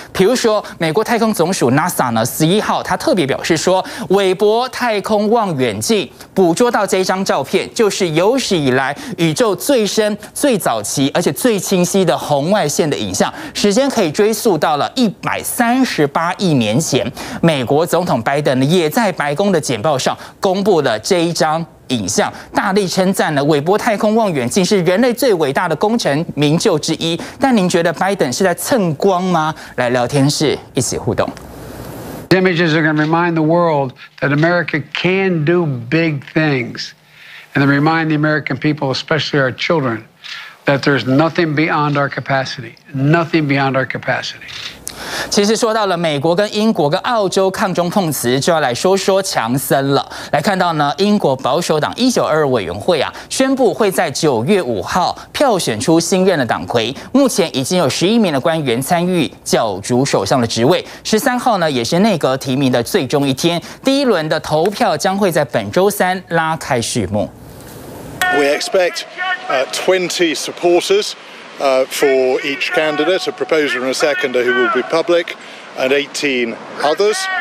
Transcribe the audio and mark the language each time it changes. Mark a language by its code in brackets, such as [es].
[zh] 比如说美国太空总署 NASA 呢11号他特别表示说，韦伯太空望远镜捕捉到这一张照片，就是有史以来宇宙最深最早期而且最清晰的红外线的影像，时间可以追溯到了138亿年前。美国总统拜登也在白宫的简报上公布了这一张影像，大力称赞了韦伯太空望远镜是人类最伟大的功臣名就之一。但您觉得拜登是在蹭光吗？来聊天室一起互动。 [en] These images are going to remind the world that America can do big things, and they remind the American people, especially our children. That there's nothing beyond our capacity. Nothing beyond our capacity. [zh] 其实说到了美国跟英国跟澳洲抗中碰瓷，就要来说说强森了。来看到呢，英国保守党1922委员会啊，宣布会在9月5号票选出新任的党魁。目前已经有11名的官员参与角逐首相的职位。 13号呢，也是内阁提名的最终一天，第一轮的投票将会在本周三拉开序幕。 [en] We expect 20 supporters for each candidate, a proposer and a seconder who will be public, and 18 others.